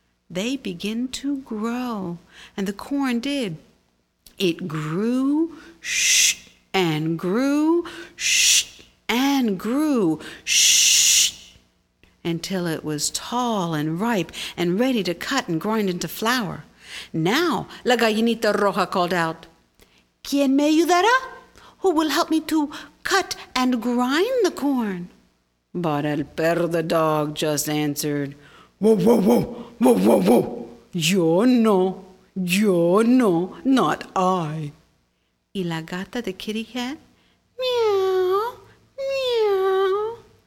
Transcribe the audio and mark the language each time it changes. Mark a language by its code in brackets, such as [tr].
[en] They begin to grow. And the corn did. It grew, shh, and grew, shh, and grew, shh, until it was tall and ripe and ready to cut and grind into flour. Now, [es] la gallinita roja [en] called out, [es] ¿Quién me ayudará? [en] Who will help me to cut and grind the corn? But [es] el perro [en] the dog just answered, whoa, whoa, whoa, whoa, whoa, whoa. [es] Yo no, [en] not I. [es] Y la gata [en] the kitty cat, meow, meow.